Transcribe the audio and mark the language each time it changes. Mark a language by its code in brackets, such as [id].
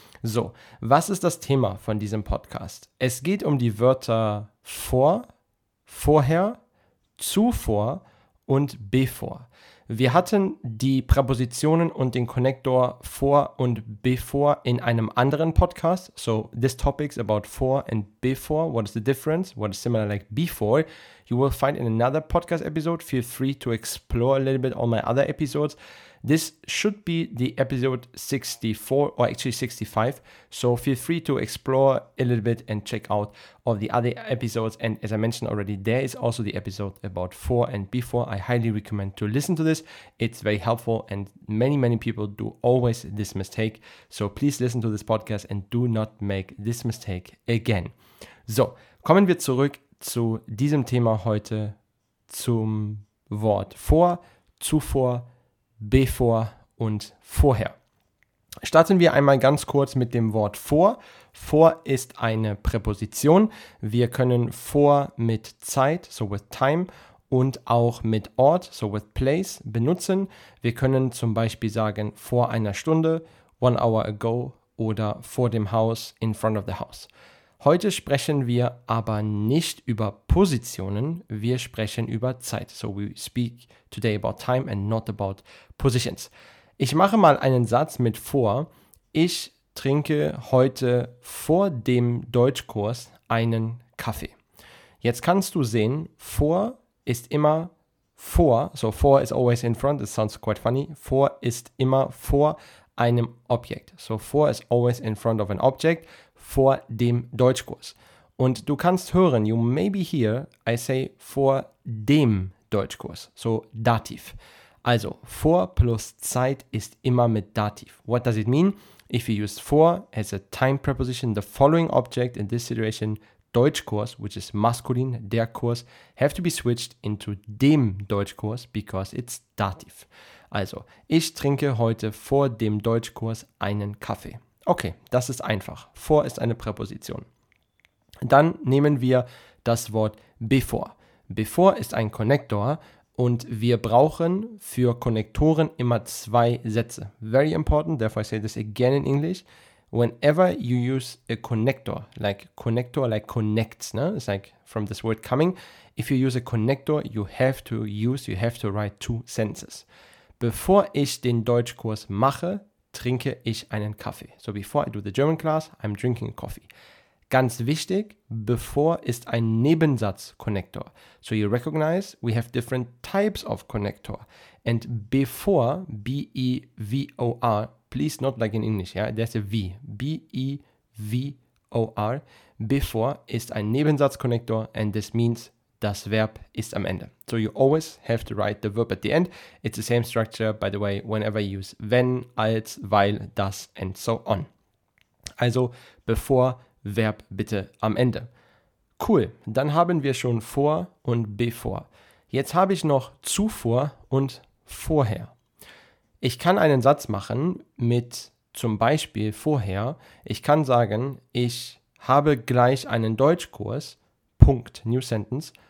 [de] So, was ist das Thema von diesem Podcast? Es geht um die Wörter vor, vorher, zuvor und bevor. Wir hatten die Präpositionen und den Konnektor vor und bevor in einem anderen Podcast. [en] So, this topic is about for and before. What is the difference? What is similar like before? You will find in another podcast episode. Feel free to explore a little bit all my other episodes. This should be the episode 64 or actually 65. So feel free to explore a little bit and check out all the other episodes. And as I mentioned already, there is also the episode about for and before. I highly recommend to listen to this. It's very helpful and many, many people do always this mistake. So please listen to this podcast and do not make this mistake again. [de] So, kommen wir zurück zu diesem Thema heute, zum Wort vor, zuvor, bevor und vorher. Starten wir einmal ganz kurz mit dem Wort vor. Vor ist eine Präposition. Wir können vor mit Zeit, [en] so with time, [de] und auch mit Ort, [en] so with place, [de] benutzen. Wir können zum Beispiel sagen vor einer Stunde, [en] one hour ago, [de] oder vor dem Haus, [en] in front of the house. [de] Heute sprechen wir aber nicht über Positionen, wir sprechen über Zeit. [en] So we speak today about time and not about positions. [de] Ich mache mal einen Satz mit vor. Ich trinke heute vor dem Deutschkurs einen Kaffee. Jetzt kannst du sehen, vor ist immer vor. [en] So vor is always in front, it sounds quite funny. [de] Vor ist immer vor einem Objekt. [en] So vor is always in front of an object. [de] Vor dem Deutschkurs. Und du kannst hören, [en] you may be here, I say [de] vor dem Deutschkurs. So Dativ. Also vor plus Zeit ist immer mit Dativ. [en] What does it mean? If you use vor as a time preposition, the following object in this situation, Deutschkurs, which is masculine, der Kurs, have to be switched into dem Deutschkurs because it's Dativ. [de] Also, ich trinke heute vor dem Deutschkurs einen Kaffee. Okay, das ist einfach. Vor ist eine Präposition. Dann nehmen wir das Wort bevor. Bevor ist ein Konnektor und wir brauchen für Konnektoren immer zwei Sätze. [en] Very important, therefore I say this again in English. Whenever you use a connector, like connects, ne? It's like from this word coming. If you use a connector, you have to write two sentences. [de] Bevor ich den Deutschkurs mache, trinke ich einen Kaffee. [en] So before I do the German class, I'm drinking coffee. [de] Ganz wichtig, bevor ist ein Nebensatz-Konnektor. [en] So you recognize, we have different types of connector. And before, B-E-V-O-R, please not like in English, yeah? There's a V. [de] B-E-V-O-R, before ist ein Nebensatz-Konnektor [en] and this means [de] das Verb ist am Ende. [en] So you always have to write the verb at the end. It's the same structure, by the way, whenever you use wenn, als, weil, das and so on. [de] Also bevor, Verb bitte am Ende. Cool, dann haben wir schon vor und bevor. Jetzt habe ich noch zuvor und vorher. Ich kann einen Satz machen mit zum Beispiel vorher. Ich kann sagen, ich habe gleich einen Deutschkurs, Punkt, [en] new sentence.